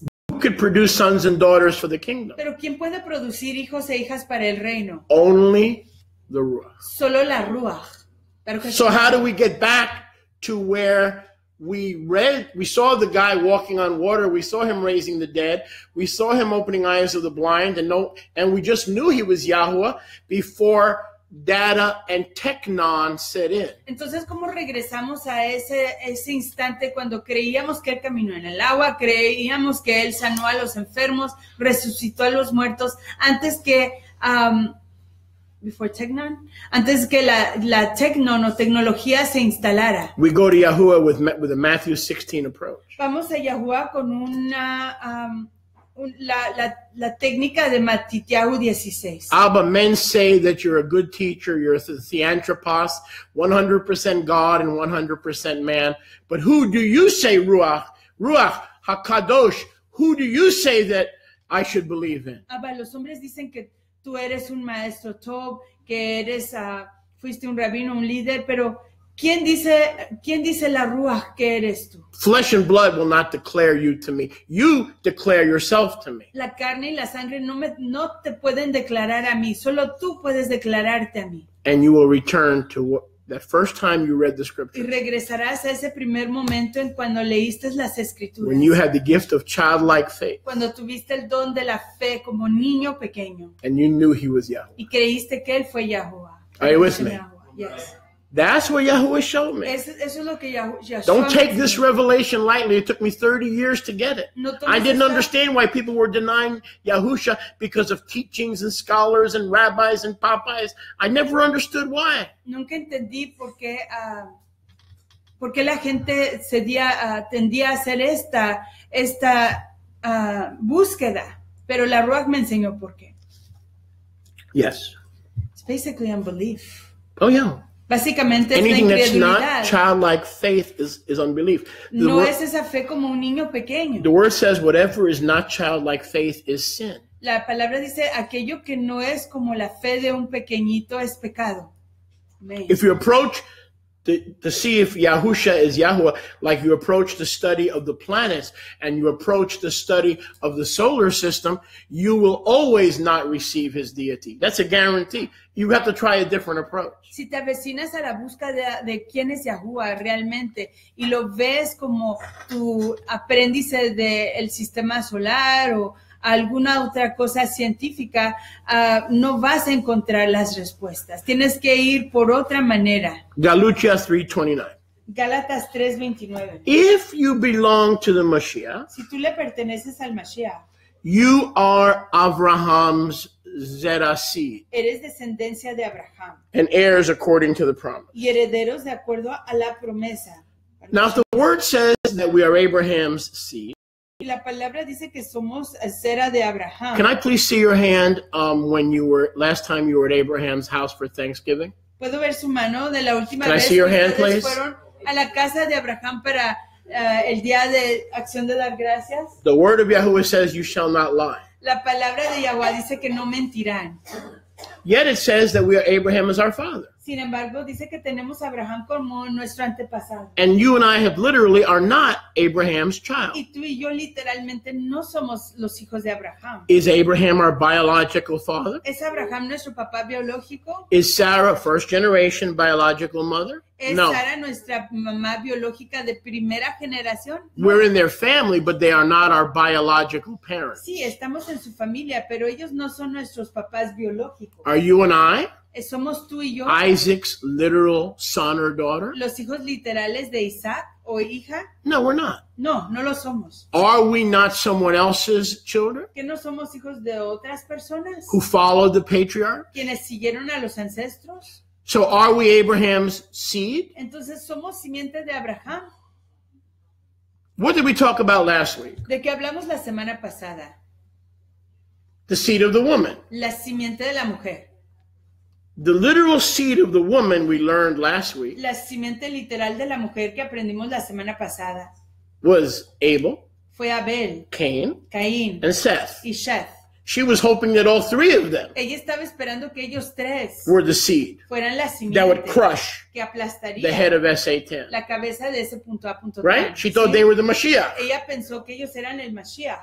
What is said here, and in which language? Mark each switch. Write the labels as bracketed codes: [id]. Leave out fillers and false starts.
[en] Who could produce sons and daughters for the kingdom? [es] Pero ¿quién puede producir hijos e hijas para el reino? [en] Only the Ruach. [es] Solo la Ruach. Pero [en] Jesús. So how do we get back to where... We saw the guy walking on water. We saw him raising the dead. We saw him opening eyes of the blind. And we just knew he was Yahuwah before data and technon set in. [es] Entonces, ¿cómo regresamos a ese instante cuando creíamos que él caminó en el agua? Creíamos que él sanó a los enfermos, resucitó a los muertos. Antes que... [en] Before technon, [es] antes que la technon o tecnología se instalara. [en] We go to Yahuwah with a Matthew 16 approach. [es] Vamos a Yahuwah con una la técnica de Matityahu 16. [en] Abba, men say that you're a good teacher, you're a theanthropos, 100% God and 100% man. But who do you say, Ruach HaKadosh, who do you say that I should believe in? [es] Abba, los hombres dicen que tú eres un maestro Tob, que eres, fuiste un rabino, un líder, pero ¿quién dice la Ruach que eres tú? [en] Flesh and blood will not declare you to me. You declare yourself to me. [es] La carne y la sangre no te pueden declarar a mí, solo tú puedes declararte a mí. [en] And you will return to that first time you read the scripture. [es] Y regresarás a ese primer momento en cuando leíste las escrituras. [en] When you had the gift of childlike faith. [es] Cuando tuviste el don de la fe como niño pequeño. [en] And you knew he was Yahuwah. [es] Y creíste que él fue Yahuwah. [en] Are you with me? Yes. That's what Yahuwah showed me. [es] Eso es lo que Yahuwah. [en] Don't take this revelation lightly. It took me 30 years to get it. I didn't understand why people were denying Yahusha because of teachings and scholars and rabbis and papais. I never understood why. [es] Nunca entendí por qué la gente tendía a hacer esta búsqueda. Pero la Ruach me enseñó por qué. [en] Yes. It's basically unbelief. Oh, yeah. [es] Básicamente es [en] anything [es] la incredulidad. [en] That's not childlike faith is unbelief. [es] Es esa fe como un niño pequeño. [en] The word says whatever is not childlike faith is sin. [es] La palabra dice aquello que no es como la fe de un pequeñito es pecado. [en] Amen. If you approach to see if Yahusha is Yahuwah, like you approach the study of the planets and you approach the study of the solar system, you will always not receive his deity. That's a guarantee. You have to try a different approach. [es] Si te avecinas a la búsqueda de quién es Yahuwah realmente y lo ves como tu aprendiz del sistema solar o alguna otra cosa científica, no vas a encontrar las respuestas. Tienes que ir por otra manera. [en] Galatians 3:29. [es] Galatas 3:29. [en] If you belong to the Mashiach, [es] si tú le perteneces al Mashiach, [en] you are Abraham's Zera seed. [es] Eres descendencia de Abraham. [en] And heirs according to the promise. [es] Y herederos de acuerdo a la promesa. [en] Now, if the word says that we are Abraham's seed, [es] y la palabra dice que somos cera de Abraham. [en] Can I please see your hand when you were last time you were at Abraham's house for Thanksgiving? [es] ¿Puedo ver su mano de la última [en] Can I see your hand, please? [es] A la casa de Abraham para el día de Acción de dar gracias? [en] The word of Yahuwah says you shall not lie. [es] La palabra de Yahuwah dice que no mentirán. [en] Yet it says that we are Abraham as our father. [es] Sin embargo, dice que tenemos a Abraham como nuestro antepasado. [en] And you and I have literally are not Abraham's child. [es] Y tú y yo literalmente no somos los hijos de Abraham. [en] Is Abraham our biological father? [es] ¿Es Abraham nuestro papá biológico? [en] Is Sarah first generation biological mother? [es] ¿Es no. Sarah nuestra mamá biológica de primera generación? [en] We're in their family, but they are not our biological parents. [es] Sí, estamos en su familia, pero ellos no son nuestros papás biológicos. [en] Are you and I? [es] Somos tú y yo, [en] Isaac's literal son or daughter? [es] Los hijos literales de Isaac o hija? [en] No, we're not. [es] No, no lo somos. [en] Are we not someone else's children? [es] ¿Que no somos hijos de otras personas? [en] Who followed the patriarch? [es] ¿Quienes siguieron a los ancestros? [en] So are we Abraham's seed? [es] Entonces somos simiente de Abraham. [en] What did we talk about last week? [es] ¿De qué hablamos la semana pasada? [en] The seed of the woman. [es] La simiente de la mujer. [en] The literal seed of the woman we learned last week. [es] La simiente literal de la mujer que aprendimos la semana pasada. [en] Was Abel. [es] Fue Abel. [en] Cain. [es] Caín. [en] And Seth. [es] Y Seth. [en] She was hoping that all three of them. [es] Ella estaba esperando que ellos tres. [en] Were the seed. [es] Fueran la simiente. [en] That would crush. [es] Que aplastaría. [en] The head of Satan. [es] La cabeza de ese punto a punto. [en] Right? She thought they were the Mashiach. [es] Ella pensó que ellos eran el Mashiach.